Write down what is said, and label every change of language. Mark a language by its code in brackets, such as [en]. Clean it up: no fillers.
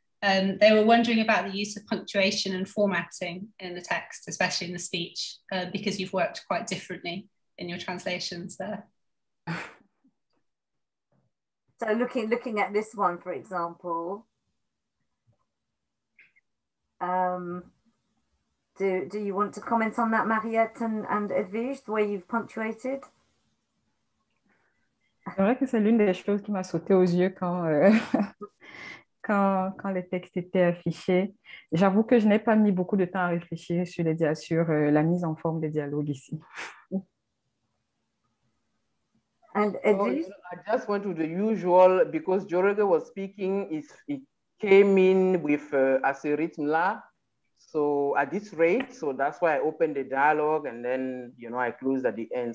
[en] They were wondering about the use of punctuation and formatting in the text, especially in the speech, because you've worked quite differently in your translations there. So looking at this one, for example, Do you want to comment on that, Mariette and Edwige, the way you've punctuated? [fr] C'est vrai que c'est l'une des choses qui m'a sauté aux yeux quand le texte était affiché. J'avoue que je n'ai pas mis beaucoup de temps à réfléchir sur la mise en forme des dialogues ici. [en] And Edwige? I just went to the usual, because Jorge was speaking, it came in with as a rhythm là. So at this rate, so that's why I opened the dialogue and then, you know, I closed at the end.